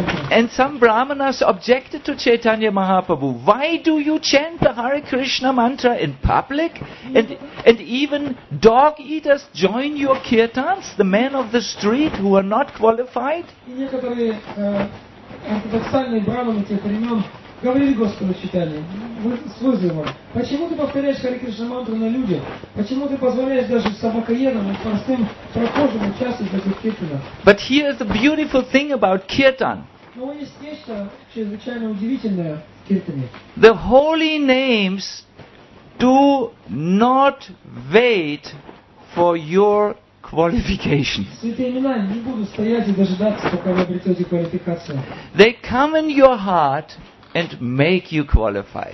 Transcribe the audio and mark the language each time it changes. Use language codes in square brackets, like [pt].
[en] And some brahmanas objected to Chaitanya Mahaprabhu, why do you chant the Hare Krishna mantra in public? And even dog eaters join your kirtans, the men of the street who are not qualified? [ru] Ортодоксальные браманы тех времен говорили Господу Читали, с вызовом. Почему ты повторяешь Хари Кришна мантру на людях? Почему ты позволяешь даже собакоедам и простым прохожим участвовать в этих киртанах? [en] But here is the beautiful thing about kirtan. [ru] Но есть нечто чрезвычайно удивительное в киртане. [en] The holy names do not wait for your qualification. They come in your heart and make you qualified.